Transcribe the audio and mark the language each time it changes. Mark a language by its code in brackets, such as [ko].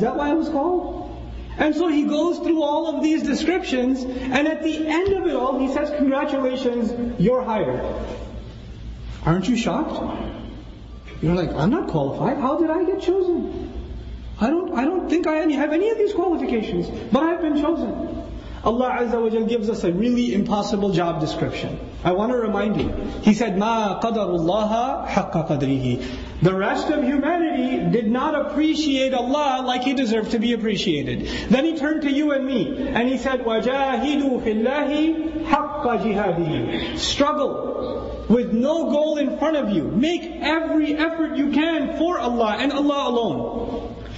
[en] Is that why I was called? And so he goes through all of these descriptions, and at the end of it all, he says, congratulations, you're hired. Aren't you shocked? You're like, I'm not qualified. How did I get chosen? I don't think I have any of these qualifications, but I've been chosen. Allah Azza wa Jalla gives us a really impossible job description. I want to remind you. He said, [ar] مَا قَدَرُ اللَّهَ حَقَّ قَدْرِهِ. [en] The rest of humanity did not appreciate Allah like He deserved to be appreciated. Then He turned to you and me, and He said, [ar] وَجَاهِدُوا فِي اللَّهِ حَقَّ جِهَادِهِ. [en] Struggle with no goal in front of you. Make every effort you can for Allah and Allah alone.